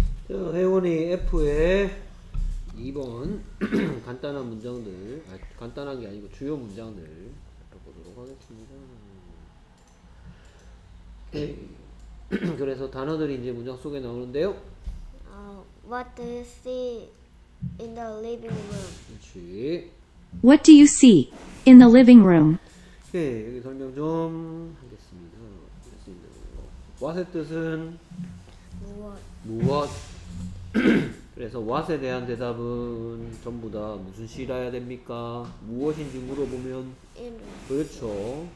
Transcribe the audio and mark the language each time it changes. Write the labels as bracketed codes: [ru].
[ko] 회원이 F의 2번 간단한 문장들, 아니, 간단한 게 아니고 주요 문장들 보도록 하겠습니다. 그래서 단어들이 이제 문장 속에 나오는데요. [en] What do you see in the living room? [ko] 그렇지. [en] What do you see in the living room? [ko] 여기 설명 좀 하겠습니다. What의 뜻은 [en] What? [ko] 무엇? 그래서 what에 대한 대답은 전부 다 무슨 시라야 됩니까? 무엇인지 물어보면 그렇죠.